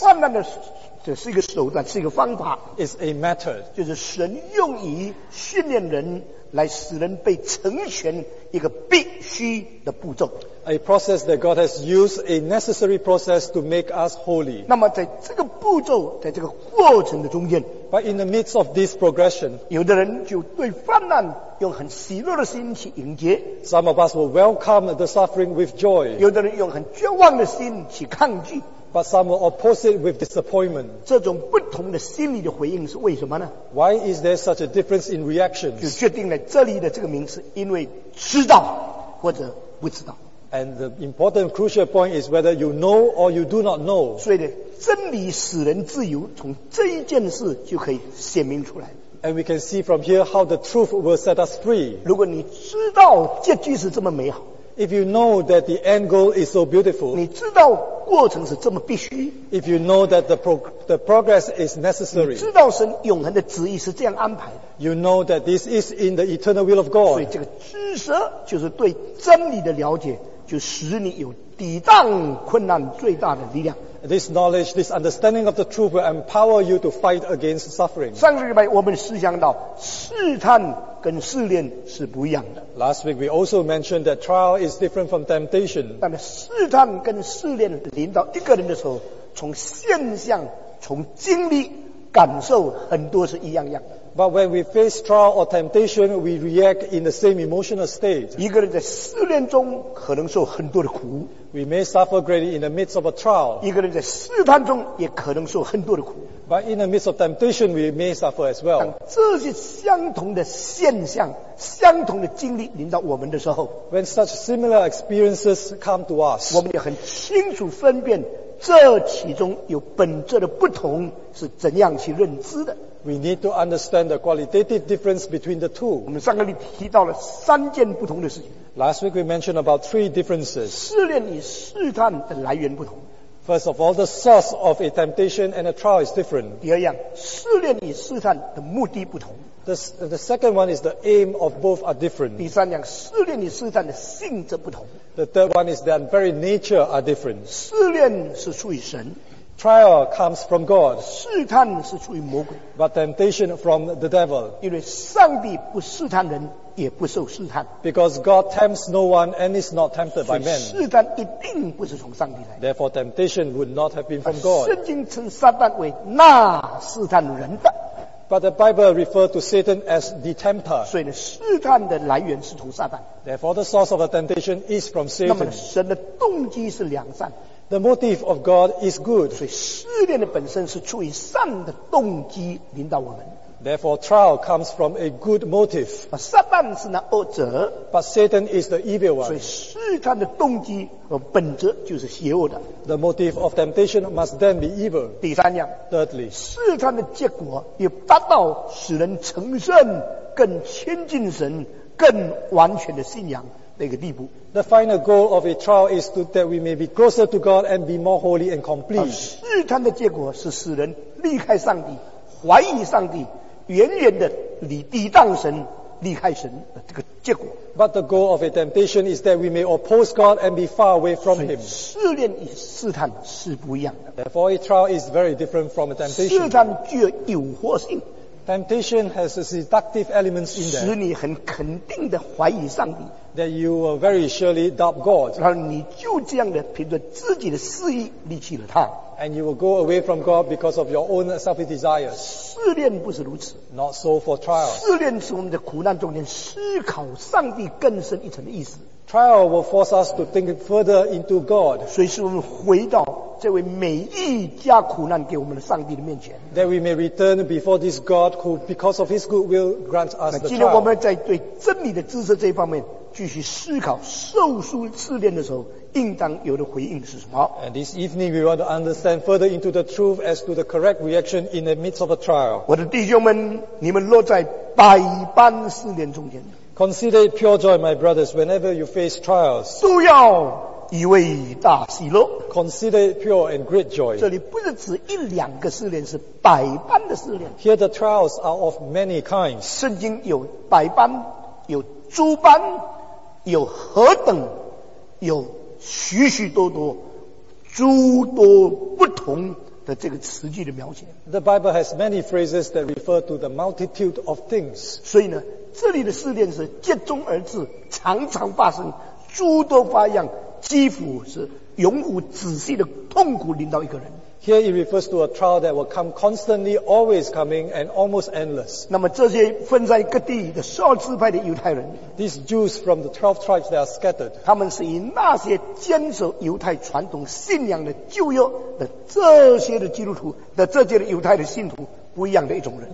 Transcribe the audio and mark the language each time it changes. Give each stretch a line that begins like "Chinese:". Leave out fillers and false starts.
Chinese: 患难的只是一个手段，是一个方法。
English: It's a method.
Chinese: 就是神用于训练人，来使人被成全，一个必须的步骤。
English: A process that God has used, a necessary process to make us holy.
Chinese: 那么在这个步骤，在这个过程的中间，
English: But in the midst of this progression,
Chinese: 有的人就对患难用很喜乐的心去迎接。
English: Some of us will welcome the suffering with joy.
Chinese: 有的人用很绝望的心去抗拒。
English: But some will oppose it with disappointment.
Chinese: 这种不同的心理的回应是为什么呢？
English: Why is there such a difference in reactions?
Chinese: 就决定了这里的这个名词，因为知道或者不知道。
English: And the important crucial point is whether you know or you do not know.
Chinese: 所以呢，真理使人自由，从这一件事就可以显明出来。
English: And we can see from here how the truth will set us free.
Chinese: 如果你知道结局是这么美好，
English: If you know that the end goal is so beautiful,
Chinese: 你知道过程是这么必须，
English: If you know that the progress is necessary,
Chinese: 你知道神永恒的旨意是这样安排的，
English: You know that this is in the eternal will of God.
Chinese: 所以这个知识就是对真理的了解，就使你有抵挡困难最大的力量。
English: This knowledge, this understanding of the truth will empower you to fight against suffering.
Chinese: 上个礼拜我们思想到试探跟试炼是不一样的。
English: Last week we also mentioned that trial is different from temptation.
Chinese: 但是试探跟试炼临到一个人的时候，从现象从经历感受很多是一样样的。
English: But when we face trial or temptation, we react in the same emotional state.
Chinese: 一个人在试炼中可能受很多的苦。
English: We may suffer greatly in the midst of a trial.
Chinese: 一个人在试探中也可能受很多的苦。
English: But in the midst of temptation, we may suffer as well.
Chinese: 当这些相同的现象、相同的经历临到我们的时候，
English: When such similar experiences come to us,
Chinese: 我们也很清楚分辨这其中有本质的不同是怎样去认知的。
English: We need to understand the qualitative difference between the two.
Chinese: 我们上个礼拜提到了三件不同的事情。
English: Last week we mentioned about three differences.
Chinese: 试炼与试探的来源不同。
English: First of all, the source of a temptation and a trial is different.
Chinese: 第二样，试炼与试探的目的不同。
English: The second one is the aim of both are different.
Chinese: 第三样，试炼与试探的性质不同。
English: The third one is that very nature are different.
Chinese: 试炼是出于神。
English: Trial comes from God.
Chinese: 试探是出于魔鬼。
English: But temptation from the devil.
Chinese: 因为上帝不试探人，也不受试探。
English: Because God tempts no one and is not tempted by men.
Chinese: 试探一定不是从上帝来。
English: Therefore, temptation would not have been from God.
Chinese: 圣经称撒旦为那试探人的。
English: But the Bible referred to Satan as the tempter.
Chinese: 所以呢，试探的来源是从撒旦。
English: Therefore, the source of the temptation is from Satan.
Chinese: 那么神的动机是良善。
English: The motive of God is good.
Chinese: 所以试炼的本身是出于善的动机领导我们。
English: Therefore, trial comes from a good motive.
Chinese: 啊，撒旦是那恶者。
English: But Satan is the evil one.
Chinese: 所以试探的动机和本质就是邪恶的。
English: The motive of temptation must then be evil.
Chinese: 第三样。
English: Thirdly,
Chinese: 试探的结果也达到使人成圣、更亲近神、更完全的信仰。
English: The final goal of a trial is that we may be closer to God and be more holy and complete.
Chinese: 试探的结果是使人离开上帝，怀疑上帝，远远的抵挡神，离开神的这个结果。
English: But the goal of a temptation is that we may oppose God and be far away from Him.
Chinese: 试炼与试探是不一样的。
English: Therefore, a trial is very different from a temptation.
Chinese: 试探具有诱惑性。
English: Temptation has a seductive elements in there.
Chinese: 使你很肯定的怀疑上帝。
English: That you will very surely doubt God.
Chinese: 然后你就这样的凭着自己的私欲离弃了他。
English: And you will go away from God because of your own selfish desires.
Chinese: 试炼不是如此。
English: Not so for trials.
Chinese: 试炼是我们的苦难中间思考上帝更深一层的意思。
English: Trial will force us to think further into God.
Chinese: 所以使我们回到这位每一家苦难给我们的上帝的面前。
English: That we may return before this God who because of his good will grant us the trial.
Chinese: 今天我们在对真理的知识这一方面继续思考受苦试炼的时候应当有的回应是什么。
English: And this evening we want to understand further into the truth as to the correct reaction in the midst of a trial.
Chinese: 我的弟兄们，你们落在百般试炼中间。
English: Consider it pure joy, my brothers, whenever you face trials.
Chinese: 都要以为大喜乐。
English: Consider it pure and great joy.
Chinese: 这里不是指一两个试炼，是百般的试炼。
English: Here the trials are of many kinds.
Chinese: 圣经有百般，有诸般，有何等，有许许多多，诸多不同。这个词句的描写。
English: The Bible has many phrases that refer to the multitude of things.
Chinese: 所以呢，这里的试炼是接踵而至，常常发生，诸多花样，几乎是永无止息的痛苦临到一个人。
English: Here it refers to a trial that will come constantly, always coming, and almost endless.
Chinese: 那么这些分在各地的十二支派的犹太人
English: ，These Jews from the 12 tribes that are scattered，
Chinese: 他们是以那些坚守犹太传统信仰的旧约的这些的基督徒的这些的犹太的信徒不一样的一种人。